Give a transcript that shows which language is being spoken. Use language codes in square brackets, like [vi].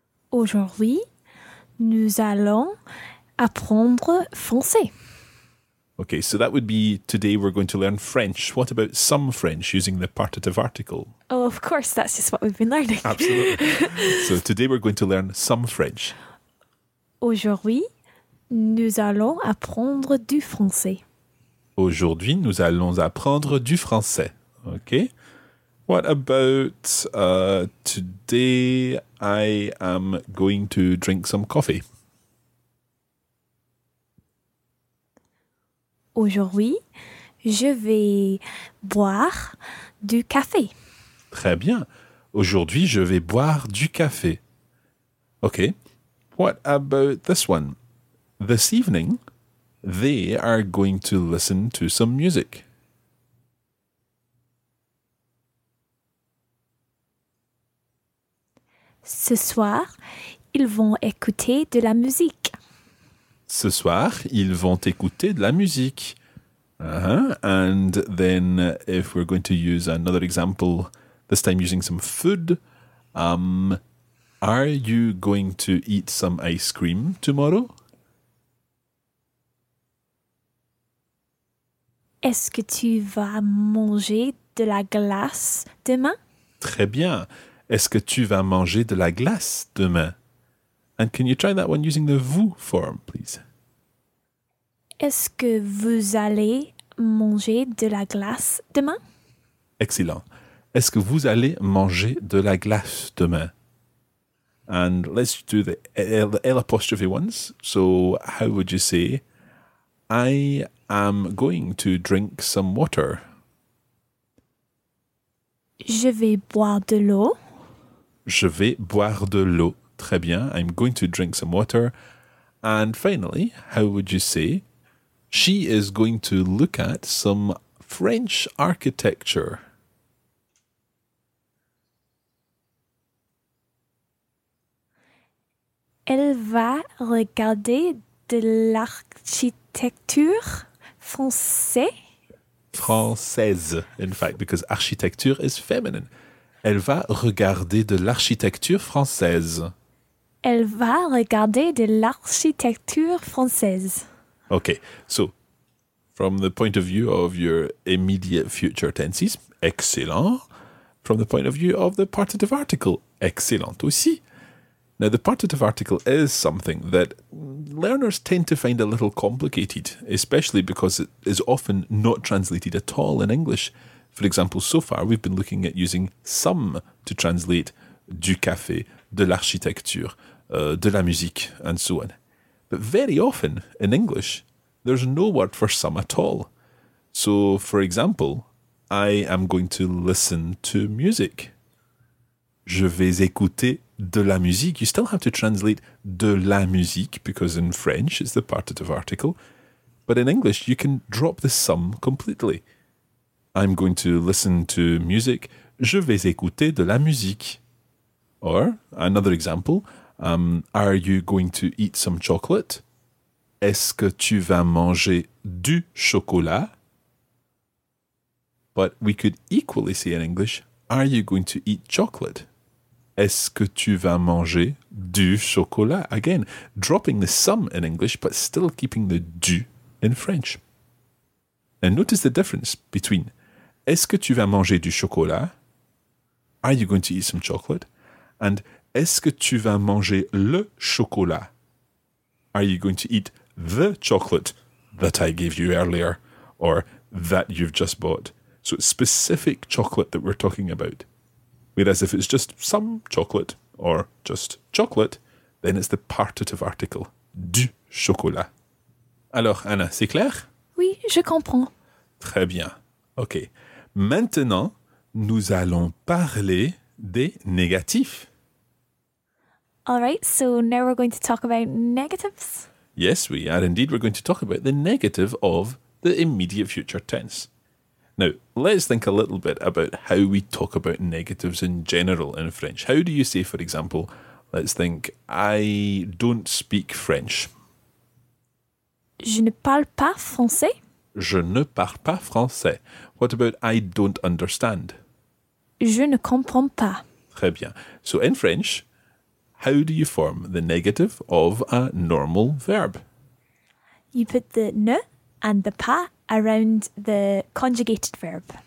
[fr] Aujourd'hui, nous allons apprendre français. [en] Okay, so that would be today we're going to learn French. What about some French using the partitive article? Oh, of course, that's just what we've been learning. Absolutely. So today we're going to learn some French. [fr] Aujourd'hui, nous allons apprendre du français. Aujourd'hui, nous allons apprendre du français. [en] Okay. What about today I am going to drink some coffee? [fr] Aujourd'hui, je vais boire du café. Très bien. Aujourd'hui, je vais boire du café. [en] Okay. What about this one? This evening, they are going to listen to some music. [fr] Ce soir, ils vont écouter de la musique. Ce soir, ils vont écouter de la musique. [en] And then if we're going to use another example, this time using some food, are you going to eat some ice cream tomorrow? [fr] Est-ce que tu vas manger de la glace demain? Très bien. Est-ce que tu vas manger de la glace demain? [en] And can you try that one using the vous form, please? [fr] Est-ce que vous allez manger de la glace demain? Excellent. Est-ce que vous allez manger de la glace demain? [en] And let's do the L apostrophe ones. So how would you say, I am going to drink some water. [fr] Je vais boire de l'eau. Je vais boire de l'eau. Très bien. [en] I'm going to drink some water. And finally, how would you say, she is going to look at some French architecture. [fr] Elle va regarder de l'architecture française. [en] Française, in fact, because architecture is feminine. [fr] Elle va regarder de l'architecture française. Elle va regarder de l'architecture française. [en] Okay, so from the point of view of your immediate future tenses, excellent. From the point of view of the partitive article, [fr] excellent aussi. [en] Now, the partitive article is something that learners tend to find a little complicated, especially because it is often not translated at all in English. For example, so far we've been looking at using some to translate [fr] du café, de l'architecture, de la musique, [en] and so on. But very often in English, there's no word for some at all. So, for example, I am going to listen to music. [fr] Je vais écouter de la musique. [en] You still have to translate [fr] de la musique [en] because in French it's the partitive article. But in English you can drop the some completely. I'm going to listen to music. [fr] Je vais écouter de la musique. [en] Or, another example, are you going to eat some chocolate? [fr] Est-ce que tu vas manger du chocolat? [en] But we could equally say in English, are you going to eat chocolate? [fr] Est-ce que tu vas manger du chocolat? [en] Again, dropping the some in English, but still keeping the du in French. And notice the difference between [fr] est-ce que tu vas manger du chocolat? [en] Are you going to eat some chocolate? [fr] And est-ce que tu vas manger le chocolat? [en] Are you going to eat the chocolate that I gave you earlier or that you've just bought? So it's specific chocolate that we're talking about. Whereas if it's just some chocolate or just chocolate, then it's the partitive article, [fr] du chocolat. Alors, Anna, c'est clair? Oui, je comprends. Très bien. OK. Maintenant, nous allons parler des négatifs. [en] All right, so now we're going to talk about negatives. Yes, we are. Indeed, we're going to talk about the negative of the immediate future tense. Now, let's think a little bit about how we talk about negatives in general in French. How do you say, for example, let's think, I don't speak French. [fr] Je ne parle pas français. Je ne parle pas français. [en] What about I don't understand? [fr] Je ne comprends pas. Très bien. [en] So in French, how do you form the negative of a normal verb? You put the ne and the pas around the conjugated verb.